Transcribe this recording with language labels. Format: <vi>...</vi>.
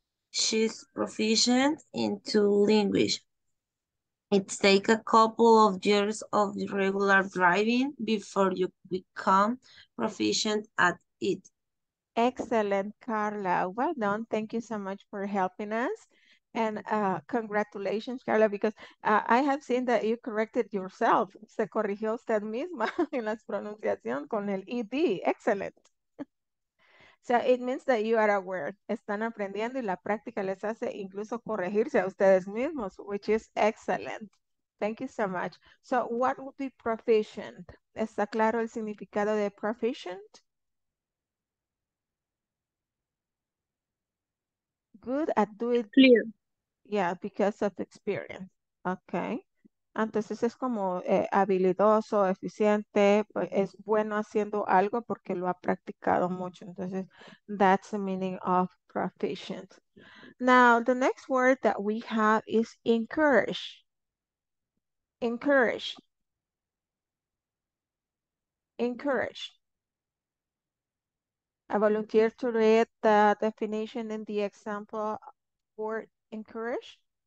<en>She's proficient in two languages. It takes a couple of years of regular driving before you become proficient at it. Excellent, Carla. Well done. Thank you so much for helping us. And congratulations, Carla, because I have seen that you corrected yourself.</en> <es>Se corrigió usted misma en la pronunciación con el ED.</es> <en>Excellent. So it means that you are aware.</en> <es>Están aprendiendo y la práctica les hace incluso corregirse a ustedes mismos,</es> <en>which is excellent. Thank you so much. So what would be proficient?</en> <es>¿Está claro el significado de proficient?</es> <en>good at doing clear. Yeah, because of experience. Okay.</en> <es>Entonces es como habilidoso, eficiente, es bueno haciendo algo porque lo ha practicado mucho.</es> <en>Entonces, that's the meaning of proficient. Now, the next word that we have is encourage. Encourage. Encourage. I volunteer to read the definition in the example for encourage.</en>